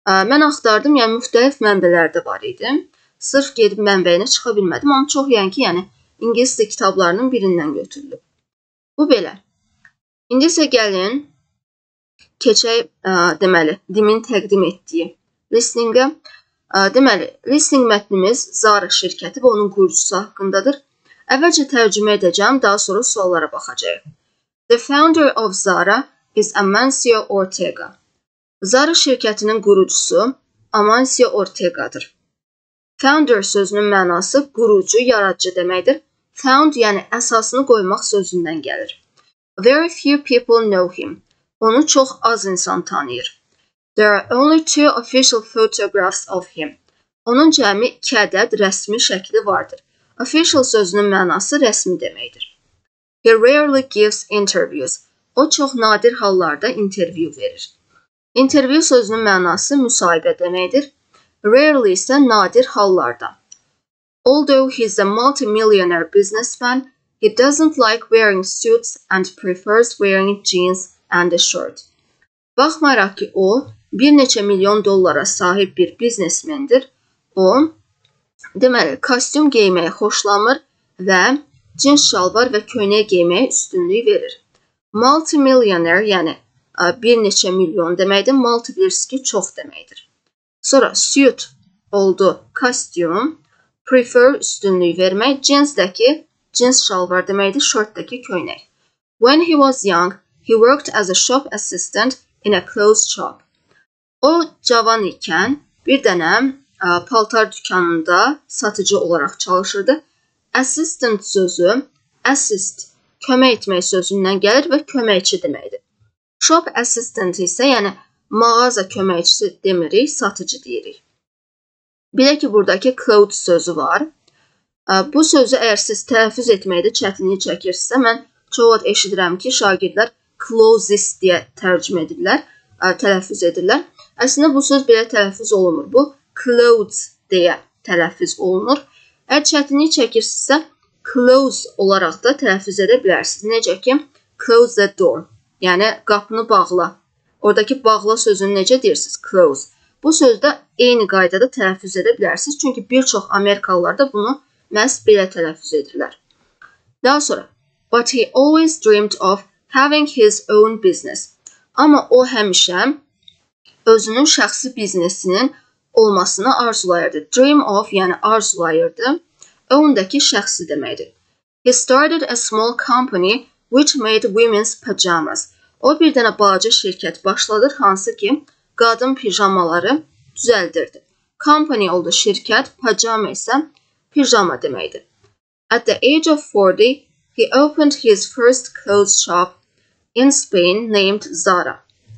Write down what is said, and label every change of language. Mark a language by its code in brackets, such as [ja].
[az] Mən axtardım, yəni müxtəlif mənbələrdə var idim. Sırf gedib mənbəyinə çıxa bilmədim, amma çox yəni ki, yəni ingilis dil kitablarının birindən götürülüb. Bu belə. İndi isə gəlin, keçək, deməli, DİM'in təqdim etdiyi listingə. Deməli, listing mətnimiz Zara şirkəti və onun qurucusu haqqındadır. Əvvəlcə tərcümə edəcəm, daha sonra suallara baxacaq. [en] The founder of Zara is Amancio Ortega. [az] Zara şirkətinin qurucusu Amancio Ortega'dır. Founder sözünün mənası qurucu, yaradıcı deməkdir. Found, yəni əsasını qoymaq sözündən gəlir. [en] Very few people know him. [az] Onu çox az insan tanıyır. [en] There are only two official photographs of him. [az] Onun cəmi 2 ədəd rəsmi şəkli vardır. Official sözünün mənası rəsmi deməkdir. [en] He rarely gives interviews. [az] O çox nadir hallarda interview verir. Interview sözünün mənası müsahibə deməkdir. Rarely isə nadir hallarda. [en] Although he is a multimillionaire businessman, he doesn't like wearing suits and prefers wearing jeans and a shirt. [az] Baxmayaraq ki, o bir neçə milyon dollara sahib bir biznesmendir. O, deməli, kostyum geyməyə xoşlamır və cins şalvar və köynəyə geyməyə üstünlük verir. Multimillionaire, yəni bir neçə milyon deməkdir, multi bilirsiniz ki, çox deməkdir. Sonra suit oldu, kostyum, prefer üstünlük vermək, jeansdəki cins şalvar deməkdir, shortdəki köynək. [en] When he was young, he worked as a shop assistant in a clothes shop. [az] O, cavan ikən bir dənə paltar dükkanında satıcı olaraq çalışırdı. Assistant sözü, assist, kömək etmək sözündən gəlir və köməkçi deməkdir. Shop assistant isə, yəni mağaza köməkçisi demirik, satıcı deyirik. Bilə ki, buradakı clothes sözü var. Bu sözü əgər siz tələffüz etməkdə çətinliyi çəkirsinizsə, mən çox vaxt eşidirəm ki, şagirdlər closest deyə tərcümə edirlər, tələffüz edirlər. Əslində, bu söz belə tələffüz olunur. Bu, clothes deyə tələffüz olunur. Əgər çətinliyi çəkirsinizsə, close olaraq da tələffüz edə bilərsiniz. Necə ki, [en] close the door, [az] yəni qapını bağla. Oradakı bağla sözünü necə deyirsiniz, close. Bu sözdə eyni qaydada tələffüz edə bilərsiniz. Çünki bir çox Amerikalılar da bunu məhz belə tələffüz edirlər. Daha sonra, [en] but he always dreamed of having his own business. [az] Amma o həmişə özünün şəxsi biznesinin olmasını arzulayırdı. Dream of, yəni arzulayırdı. Ondakı şəxsi deməkdir. [en] He started a small company which made women's pajamas. [az] O, bir dənə balaca şirkət başladır, hansı ki, qadın pijamaları düzəldirdi. Company oldu şirkət, pajama isə pijama deməkdir. [en] At the age of 40, he opened his first clothes shop in Spain named Zara.